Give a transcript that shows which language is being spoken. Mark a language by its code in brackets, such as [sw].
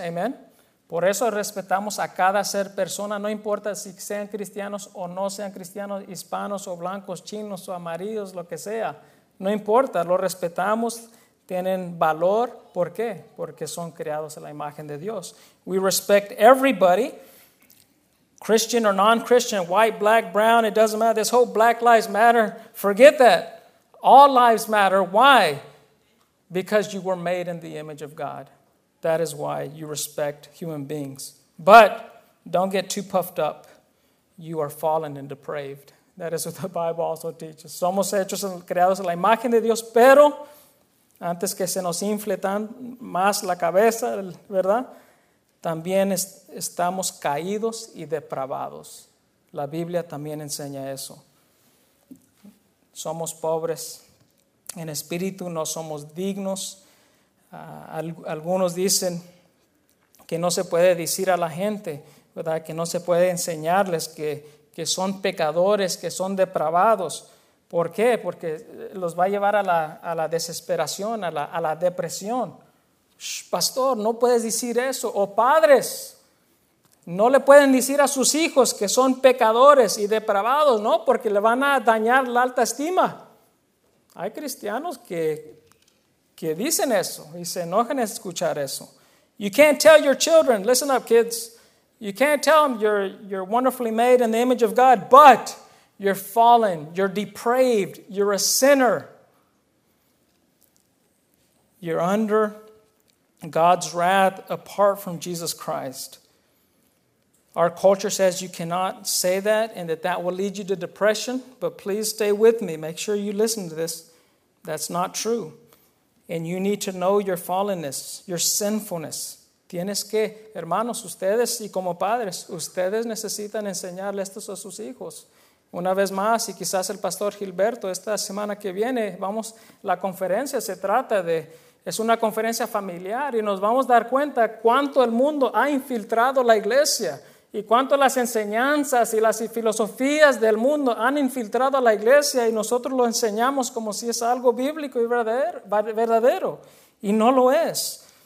[es] Amén. Por eso respetamos a cada ser persona, no importa si sean cristianos o no sean cristianos, hispanos o blancos, chinos o amarillos, lo que sea. No importa, lo respetamos, tienen valor. ¿Por qué? Porque son creados en la imagen de Dios. [en] We respect everybody, Christian or non-Christian, white, black, brown, it doesn't matter. This whole Black Lives Matter, forget that. All lives matter. Why? Because you were made in the image of God. That is why you respect human beings. But don't get too puffed up. You are fallen and depraved. That is what the Bible also teaches. [es] Somos hechos creados en la imagen de Dios, pero antes que se nos infle tan más la cabeza, ¿verdad? También estamos caídos y depravados. La Biblia también enseña eso. Somos pobres en espíritu, no somos dignos. Algunos dicen que no se puede decir a la gente, ¿verdad? Que no se puede enseñarles que son pecadores, que son depravados. ¿Por qué? Porque los va a llevar a la desesperación, a la depresión. Pastor, no puedes decir eso. O padres, no le pueden decir a sus hijos que son pecadores y depravados, ¿no? Porque le van a dañar la alta estima. Hay cristianos que dicen eso y se enojan a escuchar eso. [en] You can't tell your children, listen up kids, you can't tell them you're wonderfully made in the image of God, but you're fallen, you're depraved, you're a sinner. You're under God's wrath apart from Jesus Christ. Our culture says you cannot say that and that will lead you to depression, but please stay with me. Make sure you listen to this. That's not true. And you need to know your fallenness, your sinfulness. [es] Tienes que, hermanos, ustedes y como padres, ustedes necesitan enseñarle esto a sus hijos. Una vez más, y quizás el pastor Gilberto, esta semana que viene, vamos, la conferencia se trata de, es una conferencia familiar, y nos vamos a dar cuenta cuánto el mundo ha infiltrado la iglesia, y cuánto las enseñanzas y las filosofías del mundo han infiltrado a la iglesia, y nosotros lo enseñamos como si es algo bíblico y verdadero, y no lo es.